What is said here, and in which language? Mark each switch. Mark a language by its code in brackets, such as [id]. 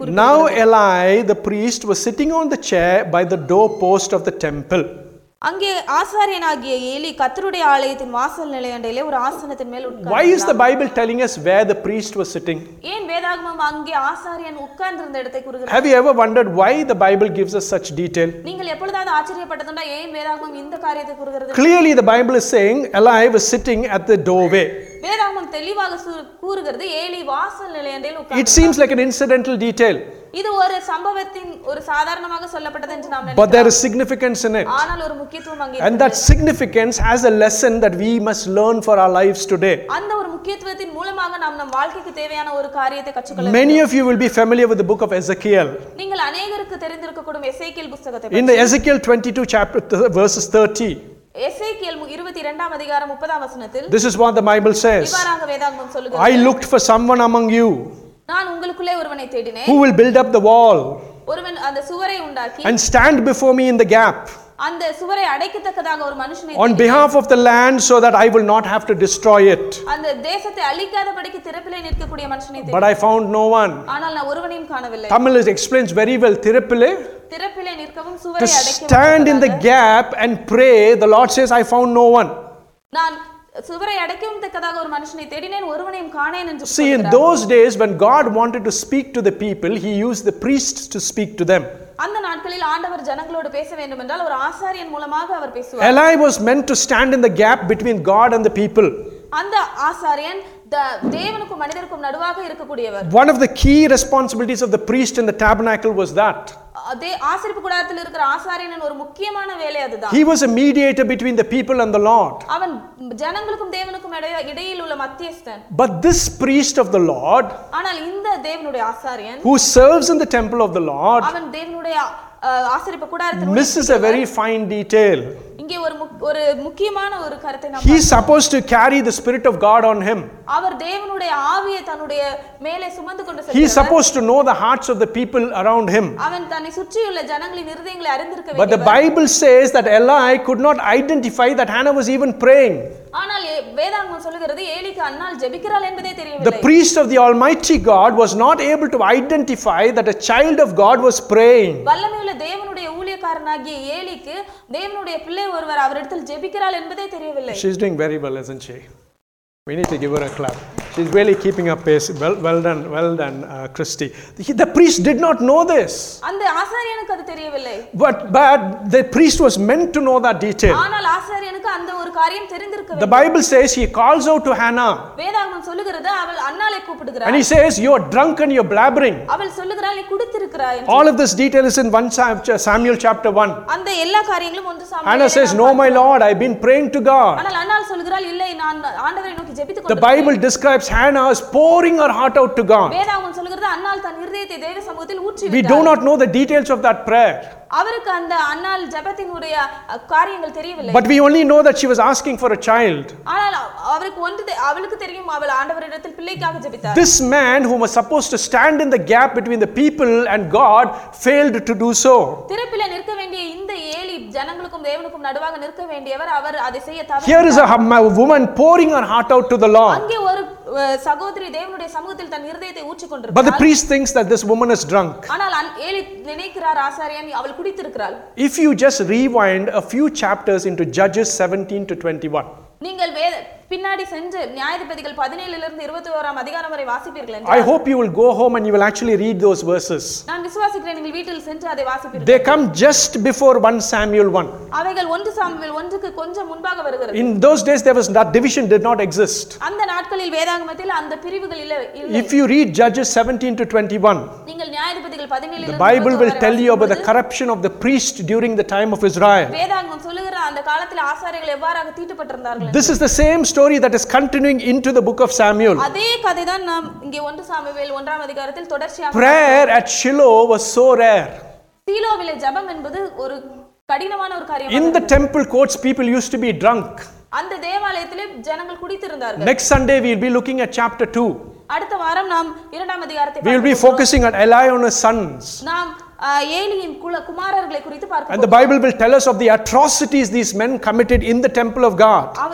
[en] Now Eli the priest was sitting on the chair by the doorpost of the temple. [ta] அங்கே ஆசாரியனாகிய Eli கர்த்தருடைய ஆலயத்தின் வாசல் நிலையண்டையிலே ஒரு ஆசனத்தின் மேல் உட்கார்ந்தான். [en] Why is the Bible telling us where the priest was sitting? [ta] ஏன் வேதாகமம் அங்கே ஆசாரியன் உட்கார்ந்திருந்த இடத்தை கூறுகிறது? [en] Have you ever wondered why the Bible gives us such detail? [ta] நீங்கள் எப்பொழுதாவது ஆச்சரியப்பட்டதுண்டா ஏன் வேதாகமம் இந்த காரியத்தை கூறுகிறது? [en] Clearly the Bible is saying Eli was sitting at the doorway. [ta] வேதாகமம் தெளிவாக கூறுகிறது ஏலி வாசல் நிலையண்டையில் உட்கார்ந்தார். [en] It seems like an incidental detail. [ta] இது ஒரு சம்பவத்தின் ஒரு சாதாரணமாக சொல்லப்பட்டது என்று நாம் நினைக்கிறோம். [en] But there is significance in it. [ta] ஆனால் ஒரு முக்கியத்துவம் அங்கே இருக்கு. [en] And that significance has a lesson that we must learn for our lives today. [ta] அந்த ஒரு முக்கியத்துவத்தின் மூலமாக நாம் நம் வாழ்க்கைக்கு தேவையான ஒரு காரியத்தை கற்றுக்கொள்ள வேண்டும். [en] Many of you will be familiar with the book of Ezekiel. [ta] நீங்கள் அநேகருக்கு தெரிந்திருக்கக்கூடும் எசேக்கியேல் புத்தகத்தை பற்றி. [en] In the Ezekiel 22 chapter verses 30. [ta] எசேக்கியேல் 22 அதிகாரம் 30 வசனத்தில் [en] This is what the Bible says. [ta] இவ்வாறாக வேதாகமம் சொல்கிறது. [en] I looked for someone among you. [ta] நான் உங்களுக்குள்ளே ஒருவனை தேடினேன். [en] Who will build up the wall? [ta] ஒருவன் அந்த சுவரை உண்டாக்கி. [en] And stand before me in the gap. [ta] அந்த சுவரை அடைக்கத்தக்கதாக ஒரு மனுஷனை. [en] On behalf of the land so that I will not have to destroy it. [ta] அந்த தேசத்தை அழிக்காதபடிக்கு திருப்பிலே நிற்கக்கூடிய மனுஷனை தேடி. [en] But I found no one. [ta] ஆனால் நான் ஒருவனையும் காணவில்லை. [en] Tamil explains very well [ta] திருப்பிலே. திருப்பிலே நிற்கவும் சுவரை அடைக்கவும். [en] To stand in the gap and pray the Lord says I found no one. [ta] நான் சுவரை அடைக்கவும் தக்கதாக ஒரு மனுஷனை தேடினேன் ஒருவனையும் காணேன் என்று. [en] See in those days when God wanted to speak to the people he used the priests to speak to them. [ta] அந்த நாட்களில் ஆண்டவர் ஜனங்களோடு பேச வேண்டும் என்றால் ஒரு ஆசாரியன் மூலமாக அவர் பேசுவார். [en] Eli was meant to stand in the gap between God and the people. [ta] அந்த ஆசாரியன் தேவனுக்கும் மனிதருக்கும் நடுவாக இருக்கக்கூடியவர். [en] One of the key responsibilities of the priest in the tabernacle was that. [ta] அதே ஆசரிப்பு கூடாரத்தில் இருக்கிற ஆசாரியன் ஒரு முக்கியமான வேலை அதுதான். [en] He was a mediator between the people and the Lord. [ta] அவன் ஜனங்களுக்கும் தேவனுக்கும் இடையில் உள்ள மத்தியஸ்தன். [en] But this priest of the Lord, [ta] ஆனால் இந்த தேவனுடைய ஆசாரியன், [en] who serves in the temple of the Lord, [ta] அவன் தேவனுடைய ஆசரிப்பு கூடாரத்தில், [en] misses a very fine detail. [ta] இங்கே ஒரு முக்கியமான ஒரு கருத்தை நாம். [en] He is supposed to carry the spirit of God on him. [ta] அவர் தேவனுடைய ஆவியை தன்னுடைய மேலே சுமந்து கொண்டு செல்கிறார். [en] He is supposed to know the hearts of the people around him. [ta] அவன் தன்னை சுற்றியுள்ள ஜனங்களின் இருதயங்களை அறிந்திருக்க வேண்டும். [en] But the Bible says that Eli could not identify that Hannah was even praying. [ta] ஆனால் வேதாகமம் சொல்கிறது ஏலிக்கு அன்னால் ஜெபிக்கிறாள் என்பதே தெரியவில்லை. [en] The priest of the Almighty God was not able to identify that a child of God was praying. [ta] வல்லமையுள்ள தேவனுடைய ஊழியக்காரனாகிய ஏலிக்கு தேவனுடைய பிள்ளை ஒருவர் அவரிடத்தில் ஜெபிக்கிறாள் என்பதே தெரியவில்லை. [en] She is doing very well, isn't she? We need to give her a clap. She is really keeping up pace. Well done, Christy. The priest did not know this. [ta] அந்த ஆசாரியனுக்கு அது தெரியவில்லை. [en] But the priest was meant to know that detail. [ta] ஆனால் ஆசாரியனுக்கு அந்த ஒரு காரியம் தெரிந்திருக்க வேண்டும். [en] The Bible says he calls out to Hannah. [ta] வேதாகமம் சொல்கிறது அவள் அன்னாளை கூப்பிடுகிறாள். [en] And he says you are drunk and you are blabbering. [ta] அவள் சொல்கிறாள் நீ குடித்திருக்கிறாய் என்று. [en] All of this detail is in 1 Samuel chapter 1. [ta] அந்த எல்லா காரியங்களும் 1 Samuel. [en] Hannah says no my lord I have been praying to God. [ta] ஆனால் அன்னாள் சொல்கிறாள் இல்லை நான் ஆண்டவரை நோக்கி [en] The Bible describes Hannah as pouring her heart out to God. [ta] வேதாகமம் சொல்கிறது அன்னால் தன் இதயத்தை தேவ சமூகத்தில் ஊற்றி விட்டார். [en] We do not know the details of that prayer. [ta] அவருக்கு அந்த அன்னால் ஜெபத்தினுடைய காரியங்கள் தெரியவில்லை. [en] But we only know that she was asking for a child. [ta] ஆனால் அவருக்கு ஒன்று அவளுக்கு தெரியும் அவள் ஆண்டவரிடத்தில் பிள்ளைக்காக ஜெபித்தார். [en] This man who was supposed to stand in the gap between the people and God failed to do so. [ta] திருப்பிலே நிற்க வேண்டிய இந்த ஏலி ஜனங்களுக்கும் தேவனுக்கும் நடுவாக நிற்க வேண்டியவர் அவர் அதை செய்ய தவறினார். [en] Here is a woman pouring her heart out to the Lord. [ta] அங்கே ஒரு சகோதரி தேவனுடைய சமூகத்தில் தன் இதயத்தை ஊற்றி கொண்டிருந்தார். [en] But the priest thinks that this woman is drunk. [ta] ஆனால் ஏலி நினைக்கிறார் ஆசாரியன் அவள் குடித்திருக்கிறாள். [en] If you just rewind a few chapters into Judges 17 to 21. [ta] நீங்கள் பின்னாடி சென்று நியாயாதிபதிகள் 17 இருந்து 21 அதிகாரம் வரை வாசிப்பீர்கள் என்று. [en] I hope you will go home and you will actually read those verses. [ta] நான் விசுவாசிக்கிறேன் நீங்கள் வீட்டில் சென்று அதை வாசிப்பீர்கள். [en] They come just before 1 Samuel 1. [ta] அவைகள் 1 சாமுவேல் 1 க்கு கொஞ்சம் முன்பாக வருகிறது. [en] In those days there was that division did not exist. [ta] அந்த நாட்களில் வேதாகமத்தில் அந்த பிரிவுகள் இல்லை. [en] If you read Judges 17 to 21. [ta] நீங்கள் நியாயாதிபதிகள் 17 இருந்து [en] The Bible will tell you about the corruption of the priest during the time of Israel. [ta] வேதாகமம் சொல்கிற அந்த காலத்தில் ஆசாரியர்கள் எவ்வாறு தீட்டுப்பட்டிருந்தார்கள். [en] This is the same story that is continuing into the book of Samuel. [ta] அதே கதை தான் நாம் இங்கே 1 சாமுவேல் 1 அதிகாரத்தில் தொடர்ச்சியாக. [en] Prayer at Shiloh was so rare. [ta] சீலோவிலே ஜெபம் என்பது ஒரு கடினமான ஒரு காரியம். [en] In the temple courts people used to be drunk. [ta] அந்த தேவாலயத்திலே ஜனங்கள் குடித்திருந்தார்கள். [en] Next Sunday we will be looking at chapter 2. [ta] அடுத்த வாரம் நாம் 2 அதிகாரத்தை [en] We will be focusing on Eli and his sons. [ta] நாம் [en] And the Bible will tell us of the atrocities these men committed in the temple of God.